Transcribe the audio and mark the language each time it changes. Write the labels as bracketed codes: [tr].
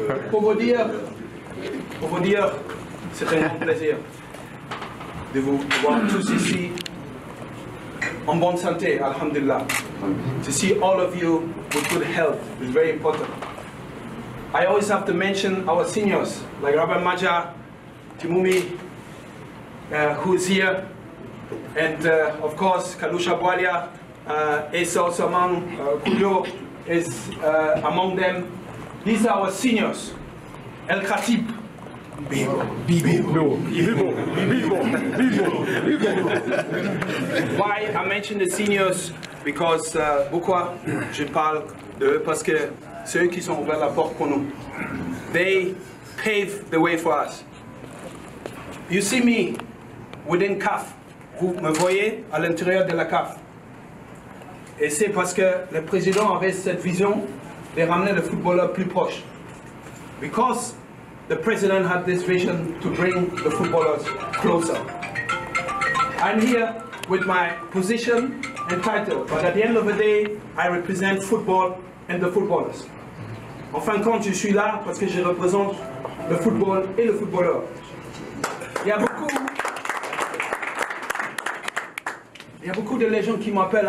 [fr] Pour vous dire, c'est un plaisir de vous voir tous ici en bonne santé, alhamdulillah. [en] To see all of you with good health is very important. I always have to mention our seniors, like Rabbi Maja, Timumi, who is here, and of course, Kalusha Bwalia is also among, Kudo is among them. These are our seniors. El Khatib. Bibo. Why I mention the seniors? Because, [fr] pourquoi je parle de eux? Parce que c'est eux qui sont ouvert la porte pour nous. [en] They pave the way for us. You see me within CAF. [fr] Vous me voyez à l'intérieur de la CAF. Et c'est parce que le président avait cette vision de ramener le footballeur plus proche. [en] Because the president had this vision to bring the footballers closer. I'm here with my position and title, but at the end of the day, I represent football and the footballers. [fr] En fin de compte, je suis là parce que je représente le football et le footballeur. Il y a beaucoup de légendes qui m'appellent.